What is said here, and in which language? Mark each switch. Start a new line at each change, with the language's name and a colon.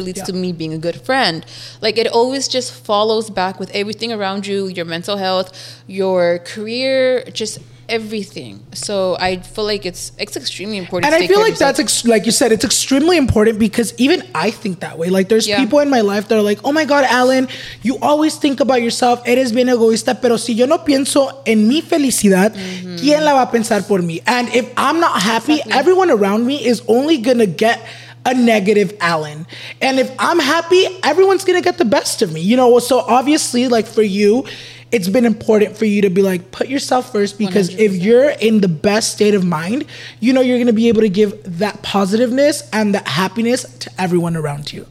English: Leads yeah. to me being a good friend. Like, it always just follows back with everything around you, your mental health, your career, just everything. So I feel like it's extremely important. And I feel like that's like you said, it's extremely important, because even I think that way. Like, there's yeah. people in my life that are like, oh my God, Alan, you always think about yourself.
Spanish: Eres bien egoísta, pero si yo no pienso en mi felicidad, mm-hmm. ¿quién la va a pensar por mí?
English: And if I'm not happy, exactly. everyone around me is only going to get a negative Alan. And if I'm happy, everyone's going to get the best of me. You know, so obviously, like, for you, it's been important for you to be like, put yourself first, because 100%. If you're in the best state of mind, you know you're going to be able to give that positiveness and that happiness to everyone around you.